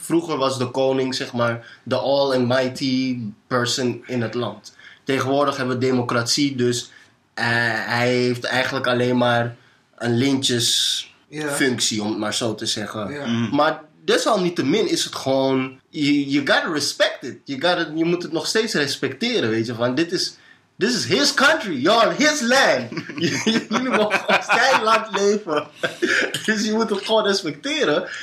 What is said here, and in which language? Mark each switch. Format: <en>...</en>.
<nl>Vroeger was de koning, zeg maar, de</nl> <en>all and mighty person</en> <nl>in het land. Tegenwoordig hebben we democratie, dus hij heeft eigenlijk alleen maar een lintjes... Ja. ...functie, om het maar zo te zeggen. Ja. Mm. Maar desalniettemin is het gewoon...</nl> <en>You gotta respect it.</en> <nl>Je moet het nog steeds respecteren, weet je.</nl> <en>Van, this is his country, y'all, his land.</en> <nl>Jullie mogen zijn land leven. Dus je moet het gewoon respecteren.</nl>